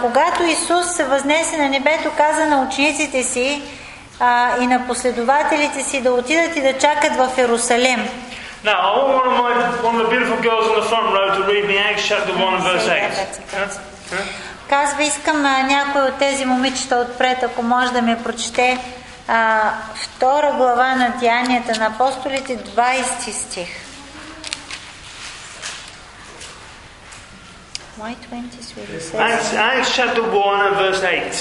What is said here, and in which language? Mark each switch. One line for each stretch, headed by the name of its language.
Bulgarian: Когато Исус се възнесе на небето, каза на учениците си и на последователите си да отидат и да чакат в Йерусалим.
English: Now, one of the beautiful girls in the front row to read me Acts chapter 1 verse 8.
Bulgarian: Казва, искам някой от тези момичета отпред, ако може да ми прочете втора глава на Деянията на апостолите, 20 стих.
English: Acts chapter 1 and verse 8.